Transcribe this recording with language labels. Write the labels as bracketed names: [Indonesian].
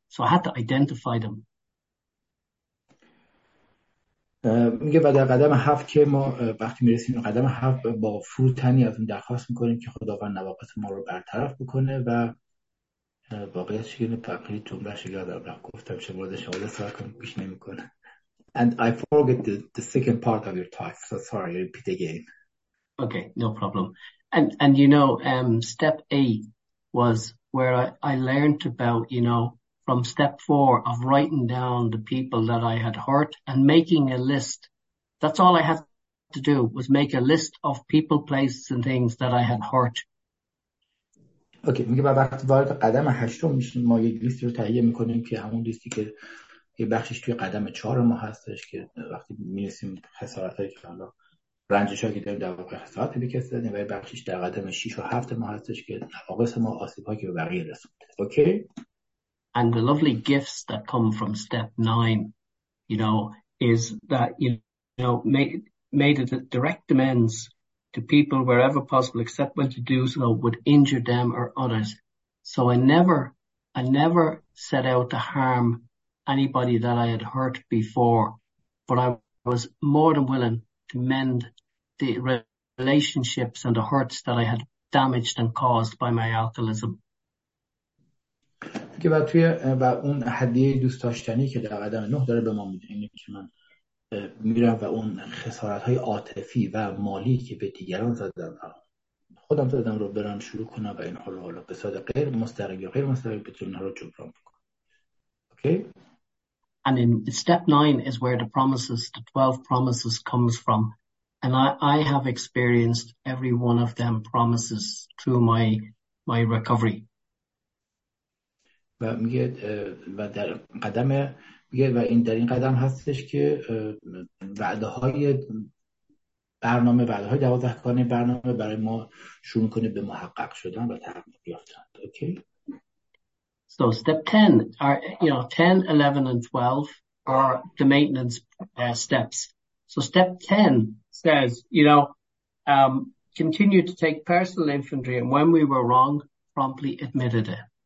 [English] So I had to identify them. [Persian] میگه بعد قدم 7 که ما وقتی میرسیم قدم 7 با فروتنی از اون درخواست میکنیم که خداوند نواقص ما رو برطرف بکنه و واقعیت شکل پقیلی تون بشه یاد رو رفت گفتم شما رو شما رو سوال کنم گوش نمی کنه. [English] And I forget the second part of your talk, so sorry, repeat again. Okay, no problem. And you know, step 8 was where I learned about, you know, from step four of writing down the people that I had hurt and making a list. That's all I had to do, was make a list of people, places and things that I had hurt. [Persian] اوکی [English] okay. [Persian] میگه بعد وقتی وارد قدم هشتم میشیم ما یک لیستی رو تهیه میکنیم که همون لیستی که یه بخشش توی قدم چهار ما هستش که وقتی میرسیم خسارت هایی که حالا رنجش هایی که داریم در واقع خسارت به کسی دادیم و یه بخشش در قدم شیش و هفت ما هستش که نواقص ما آسیب هایی که به بقیه رسونده. اوکی okay. [English] And the lovely gifts that come from step nine, you know, is that you know made a direct amends to people wherever possible, except when to do so would injure them or others. So I never set out to harm anybody that I had hurt before, but I was more than willing to mend the relationships and the hurts that I had damaged and caused by my alcoholism. [Persian] که بعد توی و اون هدیه دوست داشتنی که در قدم نه داره به ما میده اینه که من میرم و اون خسارت های عاطفی و مالی که به دیگران زدم خودم زدم رو برم شروع کنم و اینها رو حالا به صورت غیر مستقیم یا غیر مستقیم بتونم اینها رو جبران بکنم. اوکی [English] And in step 9 is where the promises, the 12 promises comes from. And I have experienced every one of them promises through my recovery. [Persian] و میگه و در قدم میگه و این در این قدم هستش که وعده های برنامه وعده های 12 کانه برنامه برای ما شروع کنه به محقق شدن و تحقق یافتن. اوکی [English] So step 10 are, you know, 10, 11 and 12 are the maintenance steps. So step 10 says, you know, continue to take personal inventory and when we were wrong, promptly admitted it.